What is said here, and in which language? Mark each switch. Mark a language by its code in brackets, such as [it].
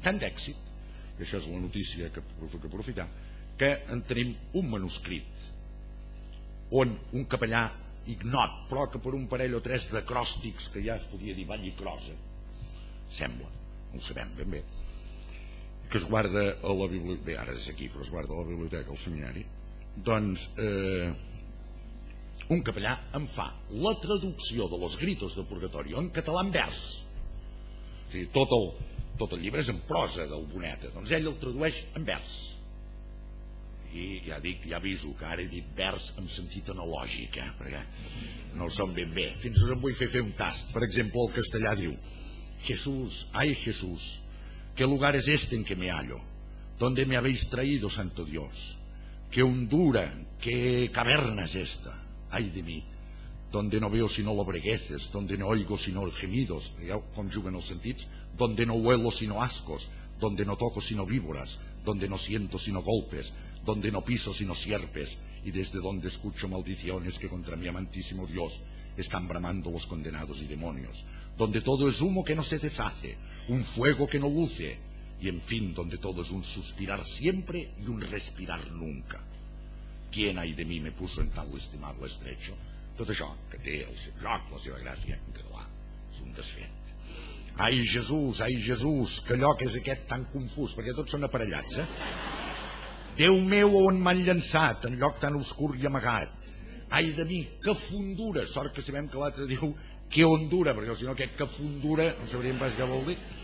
[ca] Tant d'èxit, i això és la notícia que us puc aprofitar, que en tenim un manuscrit on un capellà ignot, però que per un parell o tres d'acròstics que ja es podia dir Vall i Crosa, sembla, no ho sabem ben bé, que es guarda a la biblioteca, bé, ara és aquí, però es guarda a la biblioteca, al seminari, doncs un capellà em fa la traducció de los gritos de purgatorio en català en vers. O sigui, tot el llibre és en prosa del Boneta, doncs ell el tradueix en vers. I ja dic, ja aviso que ara he dit vers amb sentit analògic, perquè no el som ben bé. Fins ara em vull fer un tast. Per exemple, el castellà diu, Jesús, ai Jesús, [es] ¿qué lugar es este en que me hallo? ¿Dónde me habéis traído, santo Dios? ¿Qué hondura, qué caverna es esta? Ay de mí, donde no veo sino lobregueces, donde no oigo sino gemidos, [ca] digueu com juguen els sentits, [es] donde no huelo sino ascos, donde no toco sino víboras, donde no siento sino golpes, donde no piso sino sierpes, y desde donde escucho maldiciones que contra mi amantísimo Dios están bramando los condenados y demonios, donde todo es humo que no se deshace, un fuego que no luce, y en fin, donde todo es un suspirar siempre y un respirar nunca. ¿Quién hay de mí me puso en tal estimable estrecho? [ca] Tot això, que té el seu joc, la seva gràcia, en català, és un desfet. Ai, Jesús, que lloc és aquest tan confús, perquè tots són aparellats, eh? Déu meu, on m'han llançat, en lloc tan obscur i amagat? Ai de mi, que fondura, sort que sabem que l'altre diu que hondura, perquè si no aquest que fondura, no sabríem pas què vol dir.